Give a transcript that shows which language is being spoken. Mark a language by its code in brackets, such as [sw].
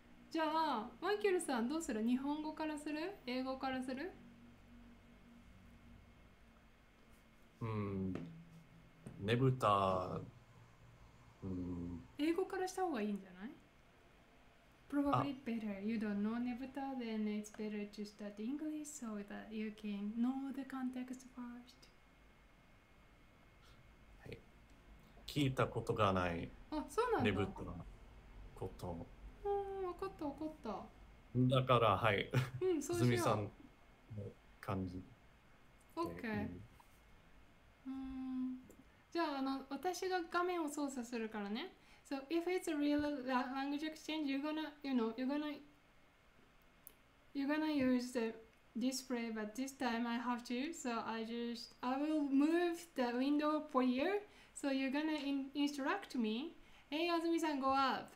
[ja] じゃあマイケルさんどうする？日本語からする？英語からする？うん、ねぶた、うん、英語からした方がいいんじゃない？ [en] Probably better. You don't know Nebuta, then it's better to start English so that you can know the context first. [ja] はい。聞いたことがない。あ、そうなんだ。ねぶたのこと。うん、わかった、わかった。だから、はい。うん、そうしよう。鈴木さんの感じ。 [en] OK。 [ja] うん、じゃあ、 私が画面を操作するからね。 [en] So if it's a real language exchange, you're gonna use the display, but this time I have to. So I will move the window for you. So you're gonna instruct me. Hey, Azumi san, go up.